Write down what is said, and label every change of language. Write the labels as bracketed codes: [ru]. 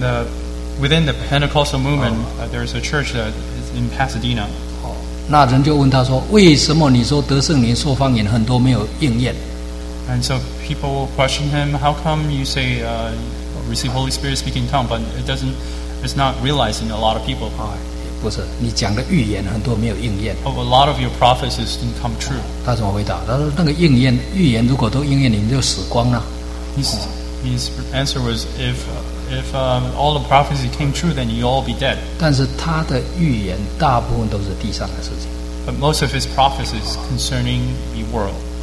[en] the within the Pentecostal movement, there is a church that is in Pasadena. [zh] 那人就问他说，为什么你说得圣灵说方言很多没有应验？ [en] And so people will question him, how come you say receive Holy Spirit speaking tongue, but it doesn't? It's not realizing a lot of people. [zh] 不是，你讲的预言很多没有应验。 [en] Oh, a lot of your prophecies didn't come true. [zh] 他怎么回答？他说那个应验预言如果都应验，你们就死光了。 [en] His answer was if all the prophecies came true, then you all be dead. [zh] 但是他的预言大部分都是地上的事情。 [en] But most of his prophecies concerning the world.